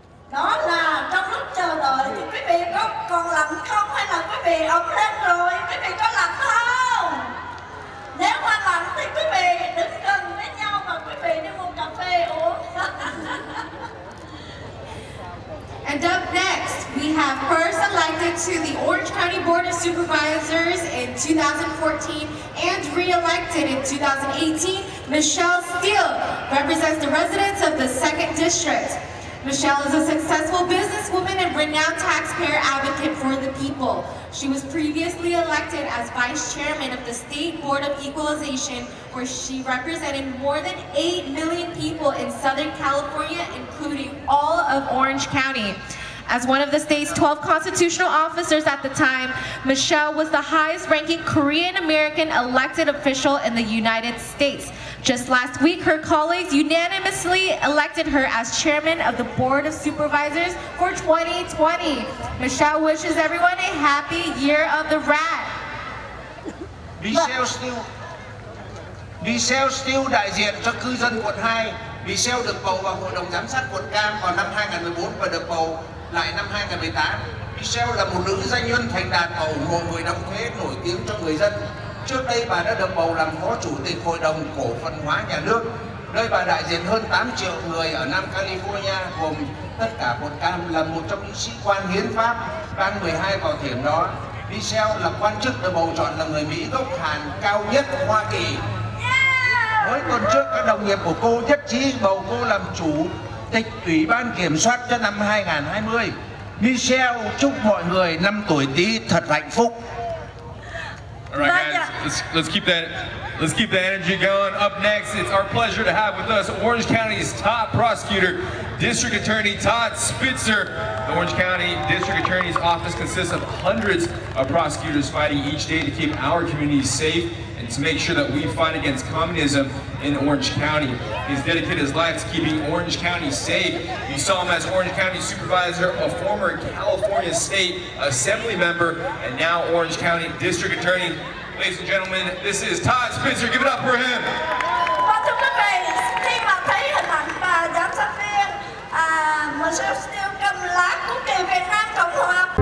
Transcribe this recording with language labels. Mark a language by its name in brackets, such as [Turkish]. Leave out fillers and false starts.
[Vietnamese] Đó là trong lúc chờ đợi thì quý vị có còn lạnh không, hay là quý vị ấm lên rồi, quý vị có lạnh không? Nếu mà lạnh thì quý vị đứng gần với nhau và quý vị đi một cà phê uống. [English] And up next, we have first elected to the Orange County Board of Supervisors in 2014 and re-elected in 2018, Michelle Steele represents the residents of the 2nd District. Michelle is a successful businesswoman and renowned taxpayer advocate for the people. She was previously elected as vice chairman of the State Board of Equalization, where she represented more than 8 million people in Southern California, including all of Orange County. As one of the state's 12 constitutional officers at the time, Michelle was the highest ranking Korean American elected official in the United States. Just last week, her colleagues unanimously elected her as chairman of the Board of Supervisors for 2020. Michelle wishes everyone a happy year of the rat. [Vietnamese] Michelle Steele đại diện cho cư dân quận 2. Michelle được bầu vào hội đồng giám sát quận Cam vào năm 2014 và được bầu lại năm 2018. Michelle là một nữ doanh nhân thành đạt và ủng hộ người đóng thuế nổi tiếng cho người dân. Trước đây bà đã được bầu làm phó chủ tịch hội đồng cổ phần hóa nhà nước, nơi bà đại diện hơn 8 triệu người ở Nam California, gồm tất cả quận Cam, là một trong những sĩ quan hiến pháp bang 12 vào thời điểm đó. Michelle là quan chức được bầu chọn là người Mỹ gốc Hàn cao nhất Hoa Kỳ. Mới tuần trước, các đồng nghiệp của cô nhất trí bầu cô làm chủ tịch ủy ban kiểm soát cho năm 2020. Michelle chúc mọi người năm tuổi Tý thật hạnh phúc. [English] All right, guys, let's keep that energy going. Up next, it's our pleasure to have with us Orange County's top prosecutor, District Attorney Todd Spitzer. The Orange County District Attorney's office consists of hundreds of prosecutors fighting each day to keep our communities safe and to make sure that we fight against communism in Orange County. He's dedicated his life to keeping Orange County safe. You saw him as Orange County Supervisor, a former California State Assembly member, and now Orange County District Attorney. Ladies and gentlemen, this is Todd Spencer. Give it up for him. [Vietnamese] Và thưa quý vị, khi mà thấy hình ảnh và giám sát viên Michelle Steele cầm lá quốc kỳ Việt Nam Cộng Hòa.